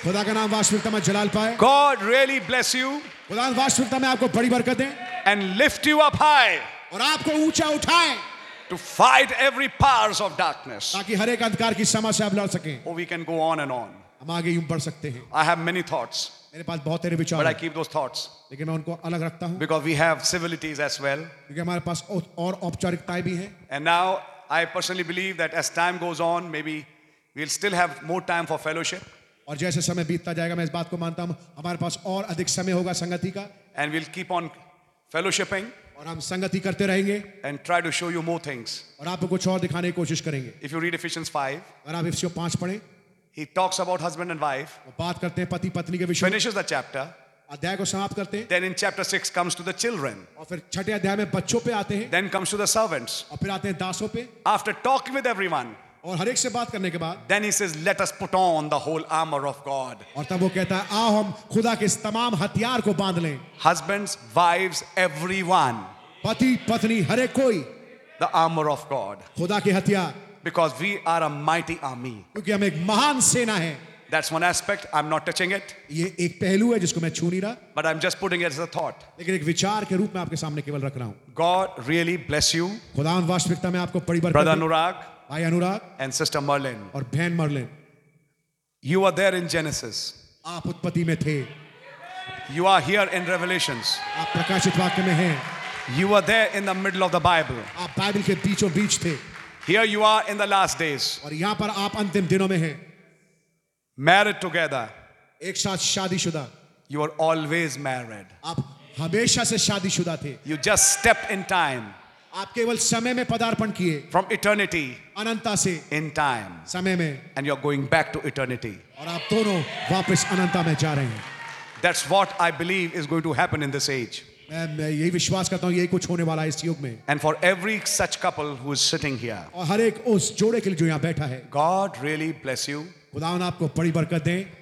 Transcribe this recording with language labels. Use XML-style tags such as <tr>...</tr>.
<hi>खुदा का नाम वास्तविकता में जलाल पाए.</hi> <en>God really bless you.</en> <hi>खुदा वास्तविकता में आपको बड़ी बरकत दे.</hi> <en>And lift you up high.</en> <hi>और आपको ऊंचा उठाए.</hi> <en>To fight every powers of darkness.</en> <hi>ताकि हर एक अंधकार की समस्या से आप लड़ सकें.</hi> <en>Oh, we can go on and on.</en> <hi>हम आगे यूं बढ़ सकते हैं.</hi> <en>I have many thoughts.</en> <hi>मेरे पास बहुत सारे विचार.</hi> <en>But I keep those thoughts.</en> <hi>लेकिन मैं उनको अलग रखता हूँ.</hi> <en>Because we have civilities as well.</en> <hi>क्योंकि हमारे पास और औपचारिकताएं भी हैं.</hi> <en>And now I personally believe that as time goes on, maybe we'll still have more time for fellowship.</en> <hi>और जैसे समय बीतता जाएगा, मैं इस बात को मानता हूँ, हमारे पास और अधिक समय होगा संगति का.</hi> <en>And we'll keep on fellowshipping.</en> <hi>और हम संगति करते रहेंगे.</hi> <en>And try to show you more things.</en> <hi>और आपको कुछ और दिखाने की कोशिश करेंगे.</hi> <en>If you read Ephesians 5,</en> <hi>अगर आप इफिसियों 5 पढ़ें,</hi> <en>he talks about husband and wife.</en> <hi>वो बात करते हैं पति पत्नी के विषय.</hi> <en>Finishes the chapter.</en> <hi>अध्याय को समाप्त करते हैं.</hi> <en>Then in chapter 6 comes to the children.</en> <hi>और फिर छठे अध्याय में बच्चों पे आते हैं.</hi> <en>Then comes to the servants.</en> <hi>और फिर आते हैं दासों पे.</hi> <en>After talking with everyone.</en> <hi>और हर एक से बात करने के बाद.</hi> <en>Then he says, let us put on the whole armor of God.</en> <hi>और तब वो कहता है, आओ हम खुदा के तमाम हथियार को बांध लें.</hi> <en>Husbands, wives, everyone.</en> <hi>पति पत्नी हर एक कोई.</hi> <en>The armor of God.</en> <hi>खुदा के हथियार.</hi> <en>Because we are a mighty army.</en> <hi>क्योंकि हम एक महान सेना है.</hi> <en>That's one aspect. I'm not touching it.</en> <hi>ये एक पहलू है जिसको मैं छू नहीं रहा.</hi> <en>But I'm just putting it as a thought.</en> <hi>लेकिन एक विचार के रूप में आपके सामने केवल रख रहा हूँ.</hi> <en>God really bless you.</en> <hi>खुदा वास्तविकता में आपको बड़ी बरकत.</hi> <en>Brother Anurag.</en> <hi>भाई अनुराग.</hi> <en>And Sister Merlin.</en> <hi>और बहन Merlin.</hi> <en>You are there in Genesis.</en> <hi>आप उत्पत्ति में थे.</hi> <en>You are here in Revelations.</en> <hi>आप प्रकाशित वाक्य में हैं.</hi> <en>You are there in the middle of the Bible.</en> <hi>आप बाइबल के बीचों बीच थे.</hi> <en>Here you are in the last days.</en> <hi>और यहाँ पर आप अंतिम दिनों में हैं.</hi> <en>Married together.</en> <hi>एक साथ शादीशुदा.</hi> <en>You are always married.</en> <hi>आप हमेशा से शादीशुदा थे.</hi> <en>You just stepped in time.</en> <hi>आप केवल समय में पदार्पण किए.</hi> <en>From eternity.</en> <hi>अनंता से.</hi> <en>In time.</en> <hi>समय में.</hi> <en>And you are going back to eternity.</en> <hi>और आप दोनों वापस अनंता में जा रहे हैं.</hi> <en>That's what I believe is going to happen in this age.</en> <hi>मैं यही विश्वास करता हूँ यही कुछ होने वाला है इस युग में.</hi> <en>And for every such couple who is sitting here.</en> <hi>और हर एक उस जोड़े के लिए जो यहाँ बैठा है.</hi> <en>God really bless you.</en> <hi>खुदावन आपको बड़ी बरकत दें.</hi>